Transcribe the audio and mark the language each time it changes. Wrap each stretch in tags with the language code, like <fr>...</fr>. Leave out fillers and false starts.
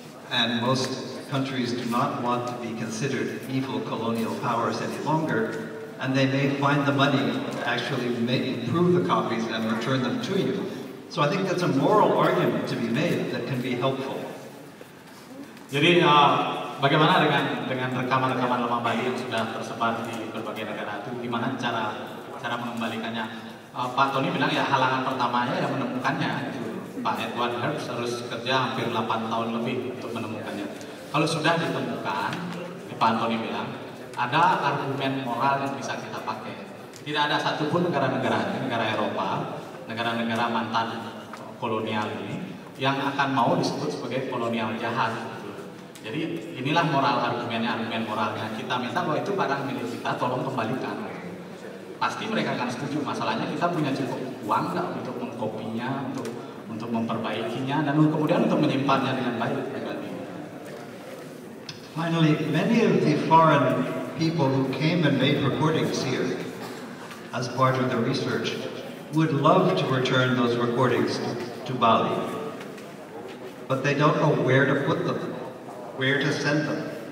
<en>And most countries do not want to be considered evil colonial powers any longer, and they may find the money to actually make, improve the copies and return them to you. So I think that's a moral argument to be made that can be helpful.</en> <id>Jadi, bagaimana dengan rekaman-rekaman lama Bali yang sudah tersebar di berbagai negara itu? Gimana cara mengembalikannya? Pak Tony bilang ya halangan pertamanya yang menemukannya itu. Pak Edward Herbst harus kerja hampir 8 tahun lebih untuk menemukannya. Kalau sudah ditemukan, Pak Tony bilang, ada argumen moral yang bisa kita pakai. Tidak ada satupun negara Eropa, negara-negara mantan kolonial ini, yang akan mau disebut sebagai kolonial jahat. Jadi inilah moral argumennya, argumen moralnya. Kita minta bahwa itu barang milik kita, tolong kembalikan. pasti mereka akan setuju. Masalahnya kita punya cukup uang nggak untuk mengkopinya, untuk memperbaikinya, dan kemudian untuk menyimpannya dengan baik.</id> <en>Finally, many of the foreign people who came and made recordings here as part of their research would love to return those recordings to Bali, but they don't know where to put them, where to send them.</en>